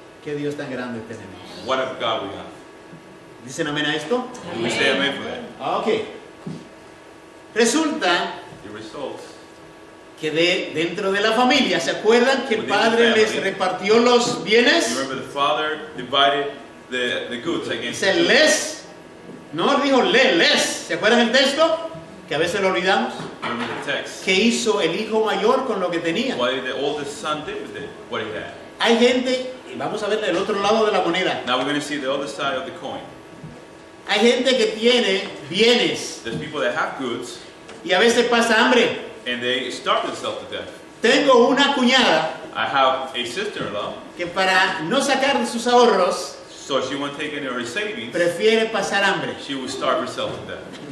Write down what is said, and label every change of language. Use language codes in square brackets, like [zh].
[es] Qué Dios tan grande tenemos. [en] What a God we have. [es] ¿Dicen amén a esto? [en] Amen. We say amen for that. [es] Okay. Resulta. [en] The results. [es] Que de dentro de la familia, ¿se acuerdan que el padre [en] family, [es] les repartió los bienes? [en] You remember the father divided the goods against [es] them. Les. No, dijo les. ¿Se acuerdan el texto? Que a veces lo olvidamos. [en] Remember the text. [es] ¿Qué hizo el hijo mayor con lo que tenía? [en] What did the oldest son do with it? What he had. [es] Hay gente, y vamos a ver el otro lado de la moneda. [en] Now we're going to see the other side of the coin. [es] Hay gente que tiene bienes. [en] There's people that have goods. [es] Y a veces pasa hambre. [en] And they starve themselves to death. [es] Tengo una cuñada. [en] I have a sister-in-law. [es] Que para no sacar sus ahorros. [en] So she won't take any of her savings. [es] Prefiere pasar hambre. [en] She will starve herself to death.